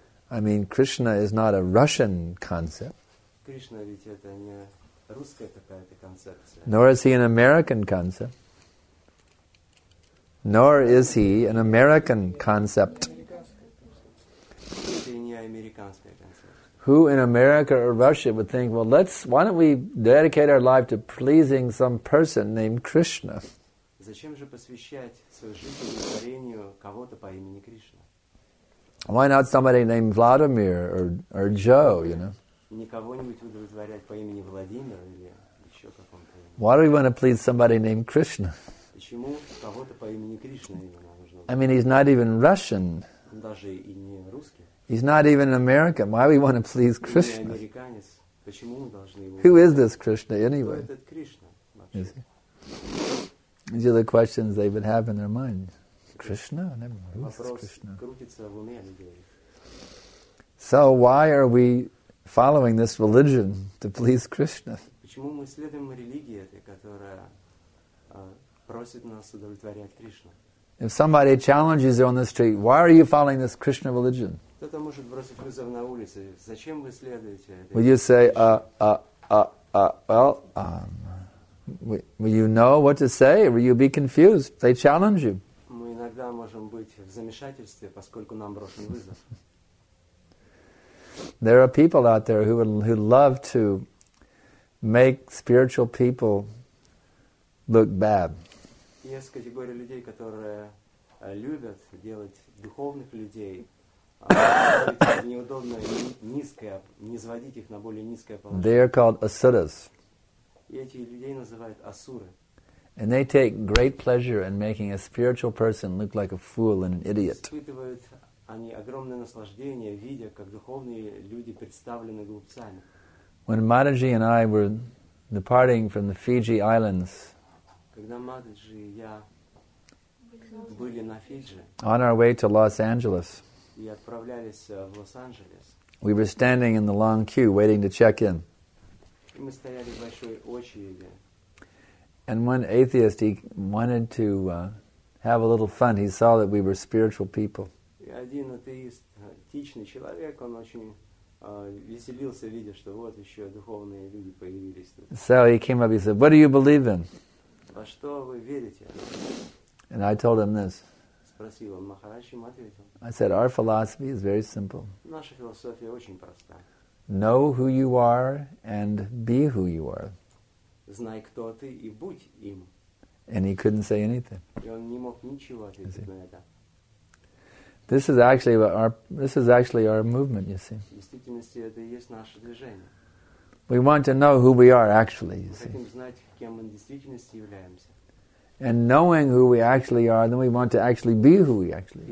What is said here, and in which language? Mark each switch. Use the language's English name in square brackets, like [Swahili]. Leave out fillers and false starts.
[English] I mean, Krishna is not a Russian concept. [Russian] Krishna ведь это не русская такая-то концепция. [English] Nor is he an American concept. Nor is he an American concept. [Russian] Это не американская концепция. [English] Who in America or Russia would think, well, why don't we dedicate our life to pleasing some person named Krishna? [Russian] Зачем же посвящать свою жизнь удовлетворению кого-то по имени Кришна? [English] Why not somebody named Vladimir or Joe, you know? [Russian] Никого-нибудь удовлетворять по имени Владимир или еще каком-то. [English] Why do we want to please somebody named Krishna? [Russian] Почему кого-то по имени Кришна именно нужно? [English] I mean, he's not even Russian. [Russian] Он даже и не русский. [English] He's not even an American. Why do we want to please Krishna? [Russian] Не американец. Почему мы должны его? [English] Who is this Krishna anyway? [Russian] Кто этот Кришна вообще? [English] These are the questions they would have in their minds. Krishna? I never know. Who is Krishna? So why are we following this religion to please Krishna? [Russian] Почему мы следуем религии этой, которая просит нас удовлетворять Кришну? [English] If somebody challenges you on the street, why are you following this Krishna religion? [Russian] Кто-то может бросить вызов на улице. Зачем вы следуете этой? [English] Will you say, will you know what to say? Or will you be confused? They challenge you. [Russian] Иногда можем быть в замешательстве, поскольку нам брошен вызов. [English] There are people out there who love to make spiritual people look bad. [Russian] Есть категория людей, которые любят делать духовных людей неудобное, низкое, низводить их на более низкое положение. [English] They are called asuras. [Russian] И эти людей называют асуры. [English] And they take great pleasure in making a spiritual person look like a fool and an idiot. [Russian] Испытывают они огромное наслаждение, видя, как духовные люди представлены глупцами. [English] When Mataji and I were departing from the Fiji Islands, [Russian] когда Мададжи и я были на Фиджи, [English] on our way to Los Angeles, [Russian] и отправлялись в Лос-Анджелес, [English] we were standing in the long queue waiting to check in. [Russian] И мы стояли в большой очереди. [English] And one atheist, he wanted to have a little fun. He saw that we were spiritual people. [Russian] Один атеист, этичный человек, он очень веселился, видя, что вот еще духовные люди появились. [English] So he came up, he said, what do you believe in? [Russian] Во что вы верите? [English] And I told him this. [Russian] Спросил он, Махараджи ему ответил. [English] I said, our philosophy is very simple. [Russian] Наша философия очень проста. [English] Know who you are and be who you are. [Russian] Знай, кто ты, и будь им. [English] And he couldn't say anything. [Russian] И он не мог ничего ответить на это. [English] This is actually our movement, you see. [Russian] В действительности это и есть наше движение. [English] We want to know who we are actually, you see. [Russian] Мы хотим знать, кем мы в действительности являемся. [English] And knowing who we actually are, then we want to actually be who we actually are.